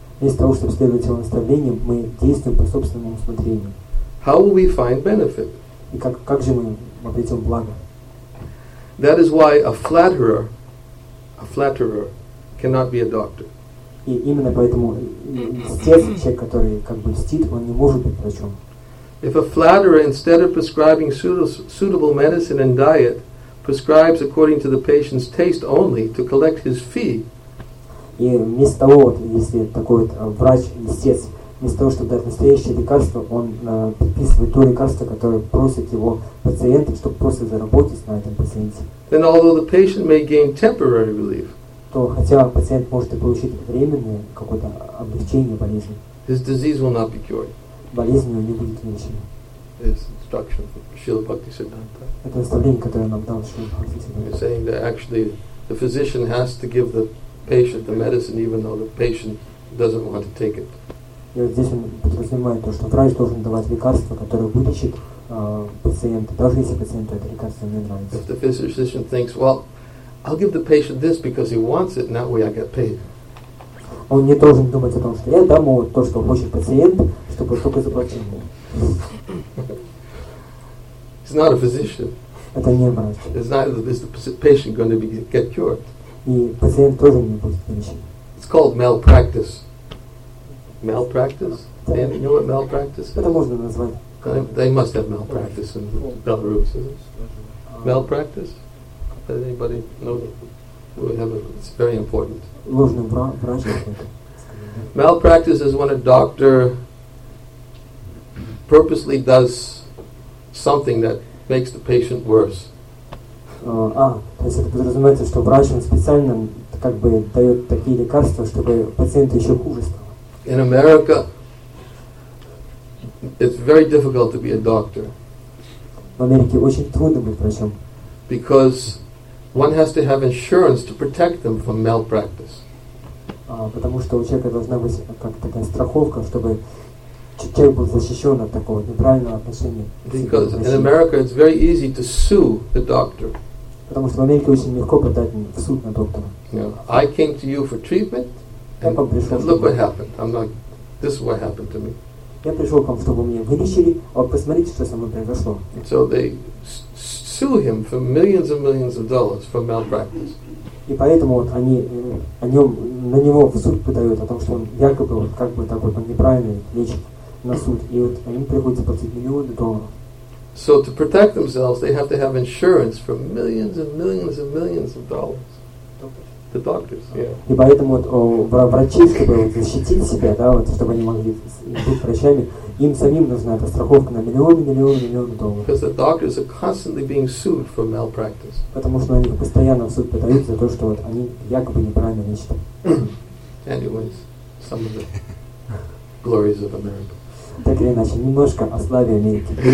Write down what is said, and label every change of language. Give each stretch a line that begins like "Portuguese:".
Russian: вместо того, чтобы следовать его наставлениям, мы действуем по собственному усмотрению.
English: How will we find benefit?
Russian: И как же мы обретем благо?
English: That is why a flatterer cannot be a doctor.
Russian: И именно поэтому льстец, человек, который как бы льстит, он не может быть врачом.
English: If a flatterer, instead of prescribing suitable medicine and diet, prescribes according to the patient's taste only to collect his fee.
Russian: И вместо того, вот, если такой вот врач льстец, вместо того, чтобы дать настоящее лекарство, он предписывает то лекарство, которое просит его пациента, чтобы просто заработать на этом пациенте.
English: Then, although the patient may gain temporary relief,
Russian: то хотя пациент может и получить временное какое-то облегчение болезни,
English: his disease will not be cured.
Russian: Болезнь у него не будет вылечена.
English: His instruction from Śrīla Bhaktisiddhānta.
Russian: Это наставление, которое нам дал Śrīla Bhaktisiddhānta.
English: He's saying that actually the physician has to give the patient the medicine even though the patient doesn't want to take it.
Russian: И вот здесь он подразумевает то, что врач должен давать лекарство, которое вылечит пациента, даже если пациенту это лекарство не нравится.
English: If the physician thinks, well, I'll give the patient this because he wants it, and that way I get paid.
Russian: Он не должен думать о том, что я дам ему то, что хочет пациент, чтобы только заплатил ему.
English: He's not a physician.
Russian: Это не врач.
English: It's not that the patient going to be get cured.
Russian: И пациент тоже не будет вылечен.
English: It's called malpractice. Malpractice? Yeah. You know what malpractice is? They must have malpractice in Belarus, isn't it? Malpractice? Does anybody know that? It's very important. Malpractice is when a doctor purposely does something that makes the patient worse.
Russian: То есть это подразумевается, что врач специально как бы дает такие лекарства, чтобы пациенту еще хуже стало.
English: In America, it's very difficult to be a doctor.
Russian: В Америке очень трудно быть врачом.
English: Because one has to have insurance to protect them from malpractice.
Russian: Потому что у человека должна быть как такая страховка, чтобы человек был защищен от такого неправильного отношения.
English: Because in America it's very easy to sue the doctor.
Russian: Потому что в Америке очень легко подать в суд на доктора.
English: Yeah. I came to you for treatment, and look what happened. I'm not. This is what happened to me.
Russian: Я пришел к вам, чтобы меня вылечили, а посмотрите, что со мной произошло.
English: So they sue him for millions and millions of dollars for malpractice.
Russian: И поэтому вот они о нем, на него в суд подают, о том, что он якобы вот как бы такой там неправильный лечит на суд. И вот им приходится платить миллионы долларов.
English: So to protect themselves, they have to have insurance for millions and millions and millions of dollars. The doctors, yeah.
Russian: И поэтому вот врачи, чтобы защитить себя, да, вот, чтобы они могли быть врачами, им самим нужна эта страховка на миллионы, миллионы, миллионы долларов.
English: Because the doctors are constantly being sued for malpractice.
Russian: Потому что они постоянно в суд подают за то, что вот они якобы неправильно лечат.
English: Anyways, some of the glories of America.
Russian: Так или иначе, немножко о славе Америки.